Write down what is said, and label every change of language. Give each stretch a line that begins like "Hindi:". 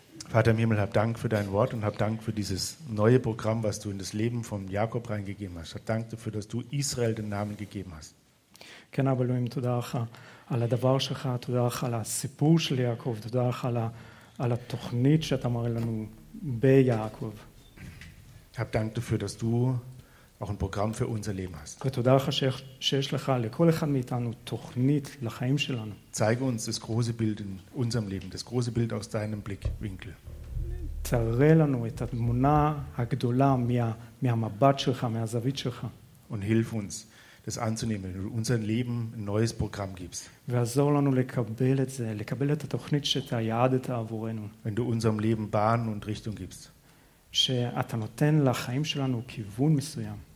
German: Vater im Himmel, hab Dank für dein Wort und hab Dank für dieses neue Programm, was du in das Leben von Jakob reingegeben hast. Hab Dank dafür, dass du Israel den Namen gegeben hast.
Hebrew: כן, אבל אלוהים, תודה לך על הדבר שלך, תודה לך על הסיפור של יעקב, תודה לך על התוכנית שאתה מראה לנו ביעקב.
German: Hab Dank dafür, dass du auch ein Programm für unser Leben hast.
Hebrew: ותודה לך שיש לך לכל אחד מאיתנו תוכנית לחיים שלנו.
German: Zeige uns das große Bild in unserem Leben, das große Bild aus deinem Blickwinkel.
Hebrew: תראה לנו את התמונה הגדולה מהמבט שלך, מהזווית שלך.
German: Und hilf uns, das anzunehmen, wenn du unser Leben ein neues Programm gibst.
Hebrew: ועזור לנו לקבל את זה, לקבל את התוכנית שאתה יעדת עבורנו.
German: Wenn du unserem Leben Bahn und Richtung gibst.
Hebrew: שאתה נותן לחיים שלנו כיוון מסוים.